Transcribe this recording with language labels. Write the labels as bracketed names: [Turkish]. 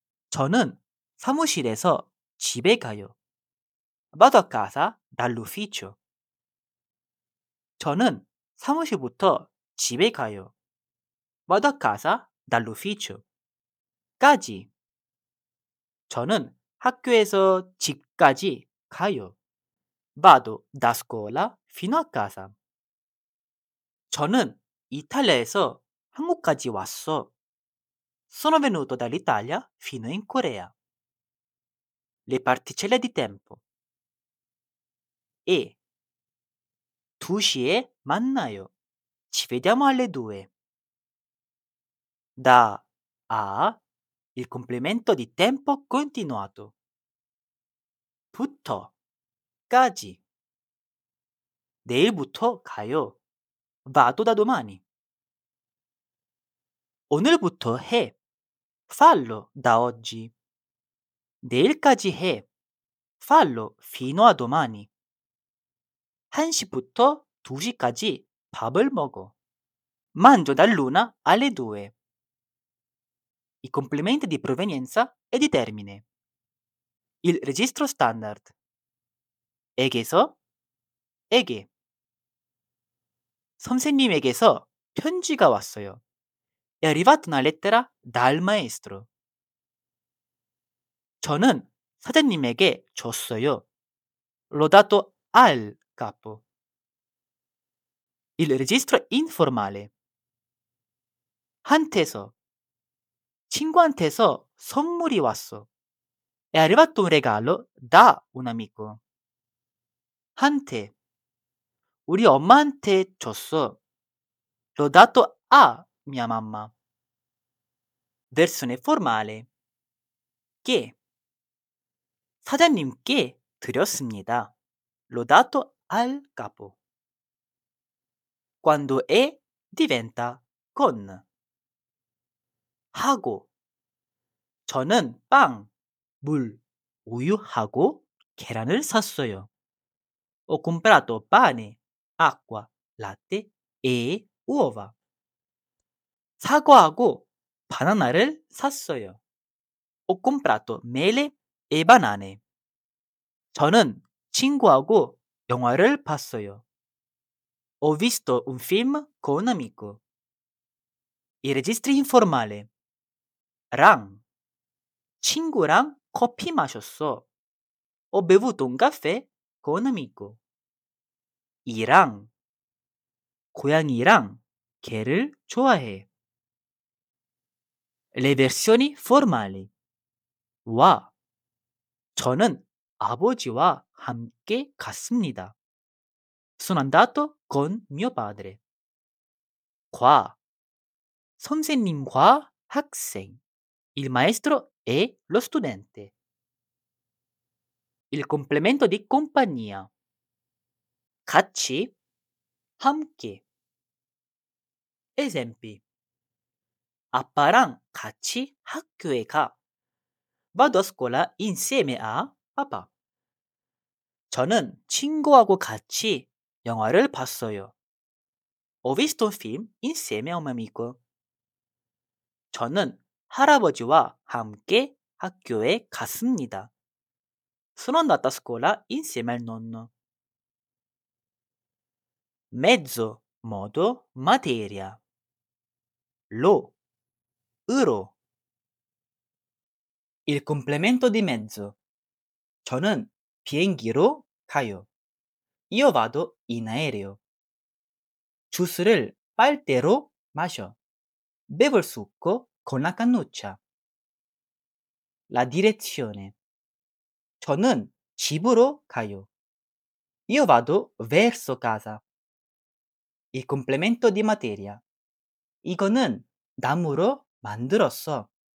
[Korean] 저는 사무실에서 집에 가요. [Italian] Vado a casa dall'ufficio. [Korean] 저는 사무실부터 집에 가요. [Italian] Vado a casa dall'ufficio. [Korean] 까지. 저는 학교에서 집까지 가요. [Italian] Vado da scuola fino a casa. [Korean] 저는 이탈리아에서 한국까지 왔어. [Italian] Sono venuto dall'Italia fino in Corea. Le particelle di tempo. E. [Korean] 2시에 만나요. [Italian] Ci vediamo alle 2. Da a. Il complemento di tempo continuato. [Korean] 부터. 까지. 내일부터 가요. [Italian] Vado da domani. [Korean] 오늘부터 해. [Italian] Fallo da oggi. [Korean] 내일까지 해. [Italian] Fallo fino a domani. [Korean] 1시부터 2시까지 밥을 먹어. [Italian] Mangio dall'una alle 2. I complementi di provenienza e di termine. Il registro standard. 에게서, 에게. [Korean] 선생님에게서 편지가 왔어요. [Italian] È arrivata una lettera dal maestro. [Korean] 저는 사장님에게 줬어요. [Italian] L'ho dato al capo. Il registro informale. 한테서. [Korean] 친구한테서 선물이 왔어. [Italian] È arrivato un regalo da un amico. [Korean] 한테. 우리 엄마한테 줬어. [Italian] L'ho dato a mia mamma. Versione formale. 게. [Korean] 사장님께 드렸습니다. [Italian] L'ho dato al capo. Quando è diventa con. 하고. [Korean] 저는 빵, 물, 우유하고 계란을 샀어요. [Italian] Ho comprato pane, acqua, latte e uova. [Korean] 사과하고 바나나를 샀어요. [Italian] Ho comprato mele e banane. [Korean] 저는 친구하고 영화를 봤어요. [Italian] Ho visto un film con un amico. I registri informale. [Korean] 랑. 친구랑 커피 마셨어. [Italian] Ho bevuto un caffè con un amico. [Korean] 이랑. 고양이랑 개를 좋아해. [Italian] Le versioni formali. 와. [Korean] 저는 아버지와 함께 갔습니다. [Italian] Sono andato con mio padre. [Korean] 과. 선생님과 학생. [Italian] Il maestro e lo studente. Il complemento di compagnia. [Korean] 같이, 함께. Esempi. 아빠랑 같이 학교에 가. [Italian] Vado a scuola insieme a papà. [Korean] 저는 친구하고 같이 영화를 봤어요. [Italian] Ho visto un film insieme a un amico. [Korean] 저는 할아버지와 함께 학교에 갔습니다. [Italian] Sono andato a scuola insieme al nonno. Mezzo, modo, materia. Lo, 으로. Il complemento di mezzo. [Korean] 저는 비행기로 가요. [Italian] Io vado in aereo. [Korean] 주스를 빨대로 마셔. [Italian] Bevo il succo con la cannuccia. La direzione. [Korean] 저는 집으로 가요. [Italian] Io vado verso casa. Il complemento di materia. [Korean] 이거는 나무로 만들었어.